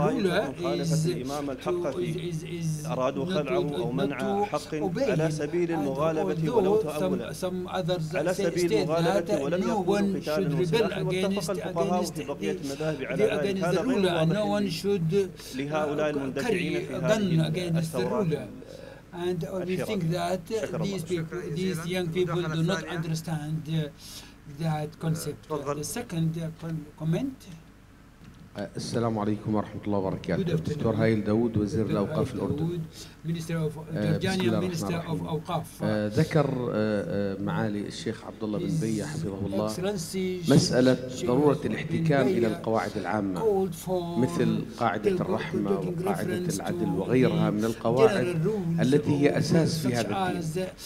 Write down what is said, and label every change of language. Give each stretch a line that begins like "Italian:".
Arabic: طائفة مخالفة الإمام الحق أرادوا خلعه أو منع حق على سبيل المغالبة ولو تأولا، على سبيل المغالبة ولم يكن قتالا وسلاحا، واتفق الفقهاء في بقية المذاهب على ذلك. هذا غير واضح لهؤلاء المندفعين في هذه الثورات.
English: And we think that these people, these young people do not understand that concept. The second comment.
Arabic: السلام عليكم ورحمة الله وبركاته. دكتور هايل داود، وزير الأوقاف الأردن. بسم الله الرحمن الرحيم. ذكر معالي الشيخ عبد الله بن بي حفظه الله مسألة ضرورة الاحتكام إلى القواعد العامة مثل قاعدة الرحمة وقاعدة العدل وغيرها من القواعد التي هي أساس في هذا الدين.